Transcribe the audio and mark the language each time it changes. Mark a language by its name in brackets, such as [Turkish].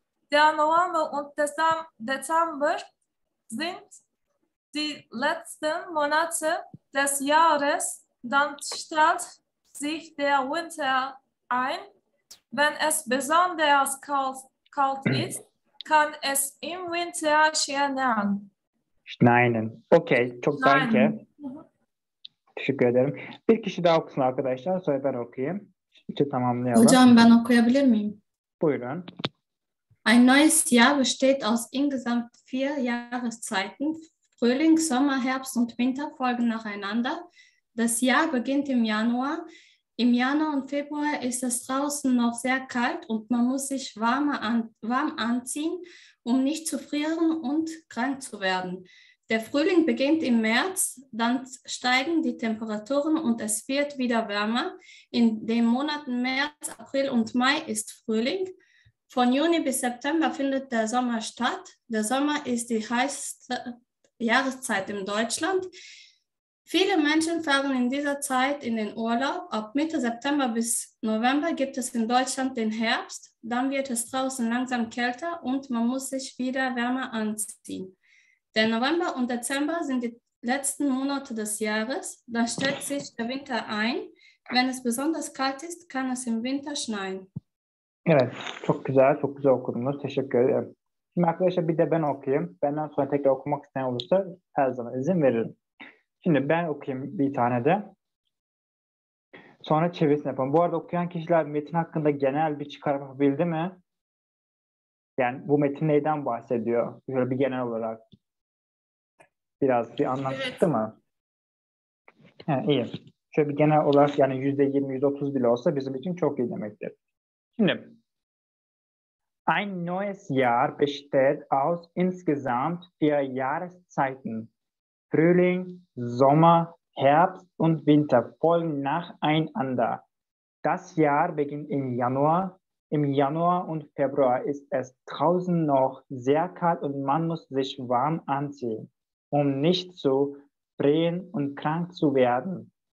[German] Der November und Dezember sind die letzten Monate des Jahres, dann stellt sich der Winter ein. Wenn es besonders kalt ist, kann es im Winter schneien. [Turkish] Okay, çok danke. Teşekkür ederim. Bir kişi daha okusun arkadaşlar, sonra ben okuyayım. Şimdi tamamlayalım. Hocam ben okuyabilir miyim? Buyurun. [German] Ein neues Jahr besteht aus insgesamt vier Jahreszeiten. Frühling, Sommer, Herbst und Winter folgen nacheinander. Das Jahr beginnt im Januar. Im Januar und Februar ist es draußen noch sehr kalt und man muss sich warm anziehen, um nicht zu frieren und krank zu werden. Der Frühling beginnt im März, dann steigen die Temperaturen und es wird wieder wärmer. In den Monaten März, April und Mai ist Frühling. Von Juni bis September findet der Sommer statt. Der Sommer ist die heißeste Jahreszeit in Deutschland. Viele Menschen fahren in dieser Zeit in den Urlaub. Ab Mitte September bis November gibt es in Deutschland den Herbst. Dann wird es draußen langsam kälter und man muss sich wieder wärmer anziehen. Der November und Dezember sind die letzten Monate des Jahres, dann stellt sich der Winter ein. Wenn es besonders kalt ist, kann es im Winter schneien. [Turkish] Evet, çok güzel, çok güzel okudunuz. Teşekkür ederim. Şimdi arkadaşlar bir de ben okuyayım. Benden sonra tekrar okumak isteyen olursa her zaman izin veririm. Şimdi ben okuyayım bir tane de. Sonra çevirisini yapalım. Bu arada okuyan kişiler metin hakkında genel bir çıkarım yapabildi mi? Yani bu metin neyden bahsediyor? Böyle bir genel olarak. Biraz bir anlattı mı? He, iyi. Şöyle bir genel olarak yani %20-%30 bile olsa bizim için çok iyi demektir. Şimdi [German] ein neues Jahr besteht aus insgesamt vier Jahreszeiten. Frühling, Sommer, Herbst und Winter folgen nacheinander. Das Jahr beginnt im Januar. Im Januar und Februar ist es draußen noch sehr kalt und man muss sich warm anziehen, um nicht zu frieren und krank zu werden.